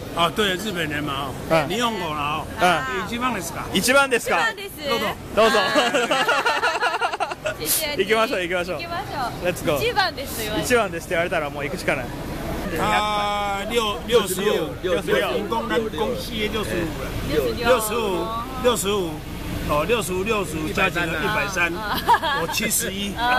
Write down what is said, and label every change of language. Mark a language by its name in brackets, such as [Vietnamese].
[Chinese] 哦，对，日本人嘛，哦，嗯，日本語啦，哦，嗯， [Japanese] 一番ですか？一番ですか？どうぞ。どうぞ。 [Chinese] 谢谢。 [Japanese] 行きましょう、行きましょう。行きましょう。 [English] Let's go。 [Japanese] 一番ですよ。一番ですって言われたらもう行くしかない。 [Chinese] 他六十五，加起来一百三，我七十一。